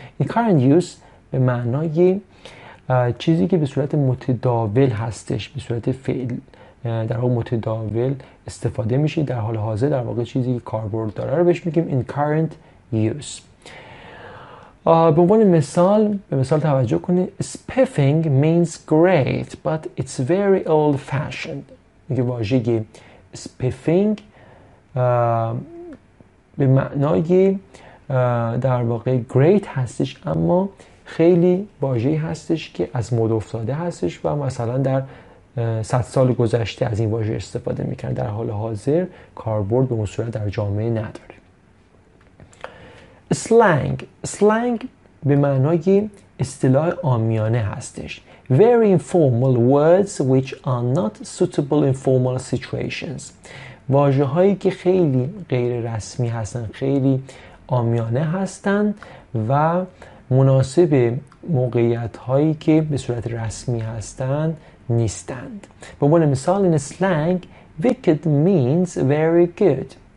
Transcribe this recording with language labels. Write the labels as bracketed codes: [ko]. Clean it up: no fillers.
[en] in current use [fa] به معنای چیزی که به صورت متداول هستش، به صورت فعل در واقع متداول استفاده میشه، در حال حاضر در واقع چیزی که کاربرد داره رو بهش میگیم in current use. به عنوان مثال، به مثال توجه کنید. [en] spiffing means great but it's very old fashioned. [fa] میگه واژه spiffing به معنای در واقع great هستش، اما خیلی واژه‌ای هستش که از مد افتاده هستش و مثلا در صد سال گذشته از این واژه استفاده میکرد، در حال حاضر کاربرد به اون صورت در جامعه نداره. سلنگ، سلنگ به معنای اصطلاح عامیانه هستش. [en] Very informal words which are not suitable in formal situations. [fa] واژه هایی که خیلی غیر رسمی هستن، خیلی عامیانه هستن و مناسب موقعیت هایی که به صورت رسمی هستن نیستند. به عنوان مثال [en] in slang wicked means very good.